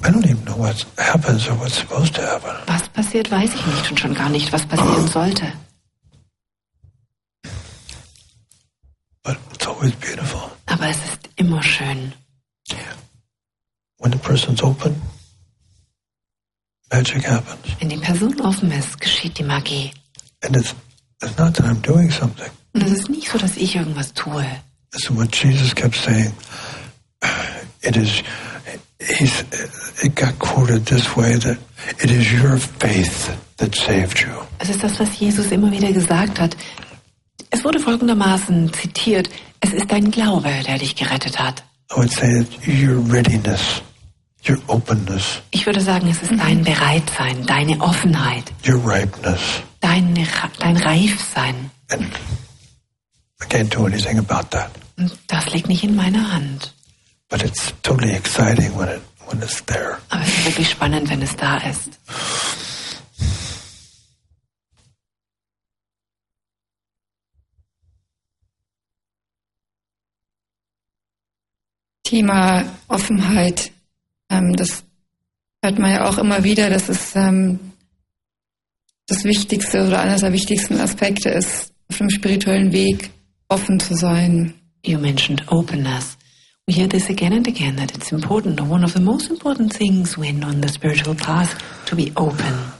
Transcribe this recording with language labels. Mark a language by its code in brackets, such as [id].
[en] I don't even know what happens or what's supposed to happen. [de] Was passiert, weiß ich nicht, und schon gar nicht, was passieren sollte. [en] But it's always beautiful. [de] Aber es ist immer schön. [en] When the person's open, magic happens. [de] Wenn die Person offen ist, geschieht die Magie. [en] And it's not that I'm doing something. [de] Und es ist nicht so, dass ich irgendwas tue. [en] It's what Jesus kept saying. It got quoted this way that it is your faith that saved you. [de] Es ist das, was Jesus immer wieder gesagt hat. Es wurde folgendermaßen zitiert: Es ist dein Glaube, der dich gerettet hat. [en] I would say it's your readiness, your openness. [de] Ich würde sagen, es ist dein Bereitsein, deine Offenheit. [en] Your ripeness. [de] Dein Reifsein. [en] And I can't do anything about that. [de] Das liegt nicht in meiner Hand. [en] But it's totally exciting when it's there. [de] Aber es ist wirklich spannend, wenn es da ist. Thema Offenheit, das hört man ja auch immer wieder, dass es das Wichtigste oder einer der wichtigsten Aspekte ist, auf dem spirituellen Weg offen zu sein. [en] You mentioned openness. We hear this again and again, that it's important, or one of the most important things when on the spiritual path, to be open.